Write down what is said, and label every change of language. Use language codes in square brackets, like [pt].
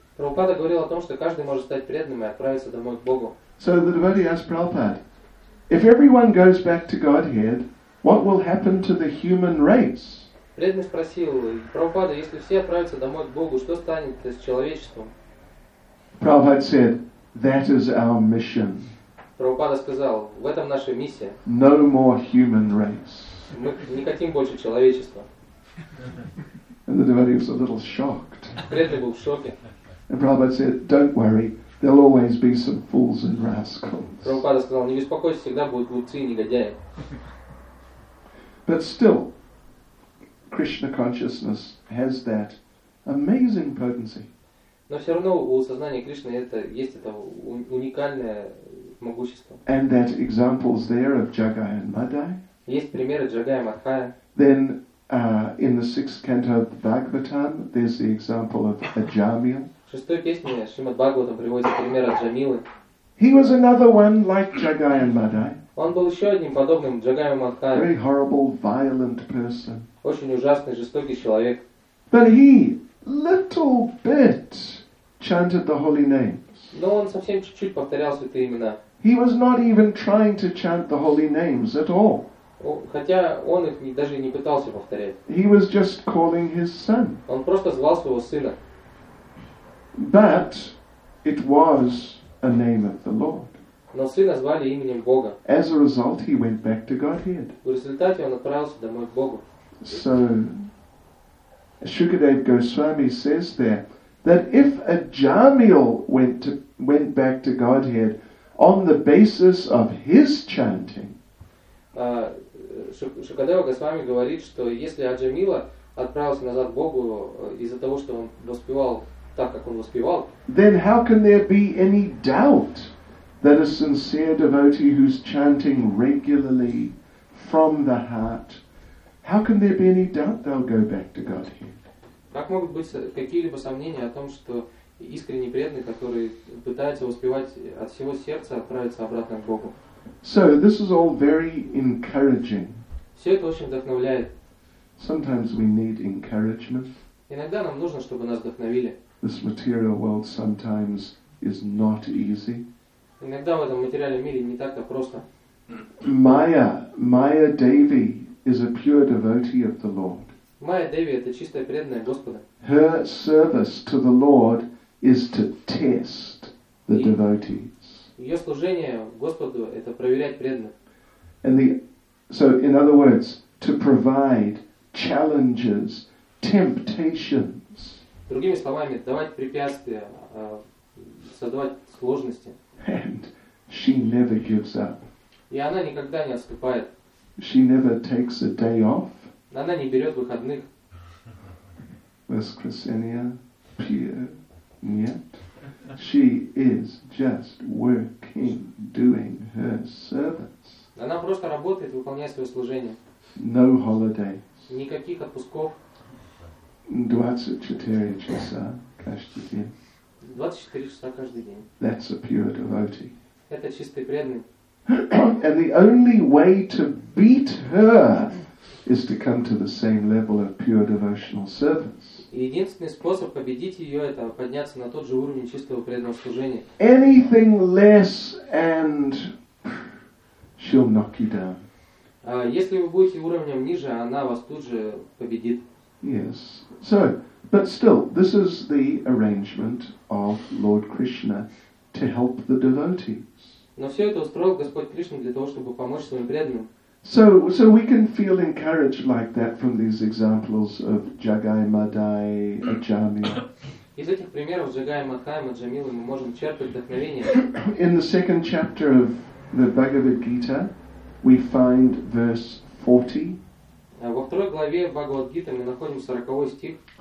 [ru] Прабхупада говорил о том, что каждый может стать преданным и отправиться домой к Богу. [en] So the devotee asked Prabhupada, if everyone goes back to Godhead, what will happen to the human race? [ru] Преданный спросил Прабхупада, если все отправятся домой к Богу, что станет с человечеством? [en] Prabhupada said, that is our mission. [ru] Прабхупада сказал, в этом наша миссия. [en] No more human race. [ru] Мы не хотим больше человечества. [en] And the devotee was a little shocked. [ru] Преданный был в шоке. [en] And Prabhupada said, don't worry, there'll always be some fools and rascals. [ru] Прабхупада сказал, не беспокойся, всегда будут глупцы и негодяи. [en] But still, Krishna consciousness has that amazing potency. [ru] Но все равно у сознания Кришны это есть это уникальное могущество. [en] And that examples there of Jagai and Madai. [ru] Есть примеры Джагая и Мадхая. [en] Then in the sixth canto of Bhagavatam, there's the example of Ajamila. [ru] В шестой песне Шримад Бхагаватам приводится пример Аджамилы. [en] He was another one like Jagai and Madai. [ru] Он был еще одним подобным Джагаю и Мадхаю. [en] Very horrible, violent person. [ru] Очень ужасный, жестокий человек. [en] But he little bit chanted the holy names. [ru] Но он совсем чуть-чуть повторял святые имена. [en] He was not even trying to chant the holy names at all. [ru] Хотя он их даже не пытался повторять. [en] He was just calling his son. [ru] Он просто звал своего сына. [en] But it was a name of the Lord. [ru] Но сына звали именем Бога. [en] As a result, he went back to Godhead. [ru] В результате он отправился домой к Богу. [en] So, Shukadev Goswami says there that if Ajamil went back to Godhead on the basis of his chanting, [ru] Шукадева Госвами говорит, что если Аджамила отправился назад к Богу из-за того, что он воспевал так, как он воспевал, [en] then how can there be any doubt that a sincere devotee who's chanting regularly from the heart, how can there be any doubt they'll go back to Godhead? [ru] Как могут быть какие-либо сомнения о том, что искренне преданный, который пытается воспевать от всего сердца, отправится обратно к Богу? [en] So this is all very encouraging. [ru] Все это очень вдохновляет. [en] Sometimes we need encouragement. [ru] Иногда нам нужно, чтобы нас вдохновили. [en] This material world sometimes is not easy. [ru] Иногда в этом материальном мире не так-то просто. [en] Maya Devi is a pure devotee of the Lord. [ru] Maya Devi это чистая преданная Господа. [en] Her service to the Lord is to test the devotees. [ru] Ее служение Господу это проверять преданных. [en] So in other words, to provide challenges, temptations. [ru] Другими словами, давать препятствия, создавать сложности. [en] And she never gives up. [ru] И она никогда не отступает. [en] She never takes a day off. [ru] Она не берет выходных. Воскресенье, пьет, нет. [en] She is just working, doing her service. [ru] Она просто работает, выполняя свое служение. [en] No holidays. [ru] Никаких отпусков. 24 часа каждый день. 24 часа каждый день. [en] That's a pure devotee. [ru] Это чистый преданный. [en] And the only way to beat her is to come to the same level of pure devotional service. [ru] Единственный способ победить ее это подняться на тот же уровень чистого преданного служения. [en] Anything less and she'll knock you down. [ru] Если вы будете уровнем ниже, она вас тут же победит. [en] Yes. So, but still, this is the arrangement of Lord Krishna to help the devotees. [ru] Но все это устроил Господь Кришна для того, чтобы помочь своим преданным. [en] So we can feel encouraged like that from these examples of Jagai, Madai, Ajami. [ru] Из этих примеров Джагай, Мадхай, Маджамилы мы можем черпать вдохновение. [en] In the second chapter of the Bhagavad Gita, we find verse 40. [ru] Во второй главе Бхагавад Гиты мы находим 40-й стих.